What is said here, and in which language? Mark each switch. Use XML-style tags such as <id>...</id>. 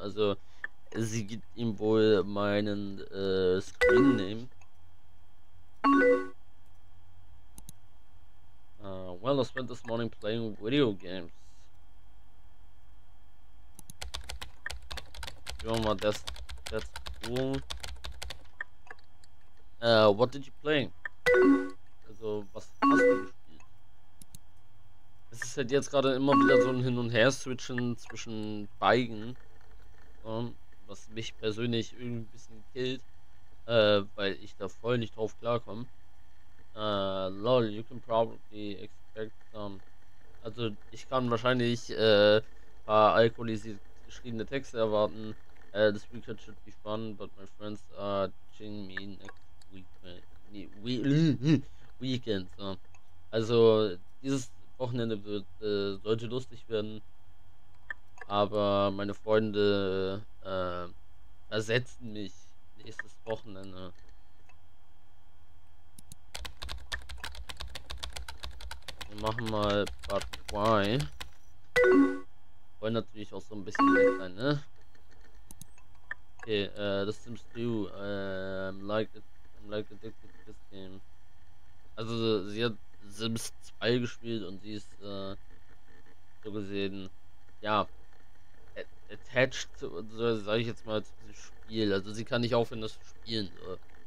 <de>Also, sie gibt ihm wohl meinen Screen Name.</de> <en>Well, I spent this morning playing video games.</en> <de>Gehen wir mal das.</de> <en>That's cool. What did you play?</en> <de>Also, was hast du gespielt? Es ist halt jetzt gerade immer wieder so ein Hin- und Her-Switchen zwischen beiden. So, was mich persönlich irgendwie ein bisschen killt. Weil ich da voll nicht drauf klarkomme.</de> <en>Lol, you can probably expect some.</en> <de>Also, ich kann wahrscheinlich ein paar alkoholisiert geschriebene Texte erwarten.</de> <en>This weekend should be fun, but my friends are ditching me next week.</en> <de>Weekend, so. Also, dieses Wochenende wird, sollte lustig werden. Aber meine Freunde, ersetzen mich nächstes Wochenende. Wir machen mal,</de> <en>but why?</en> <de>Wollen natürlich auch so ein bisschen mehr sein, ne? Okay, das Sims 2,</de> <en>I'm like addicted to this game.</en> <de>Also, sie hat Sims 2 gespielt und sie ist, so gesehen, ja, attached, so sag ich jetzt mal, zu diesem Spiel. Also, sie kann nicht aufhören, das zu spielen, so.</de>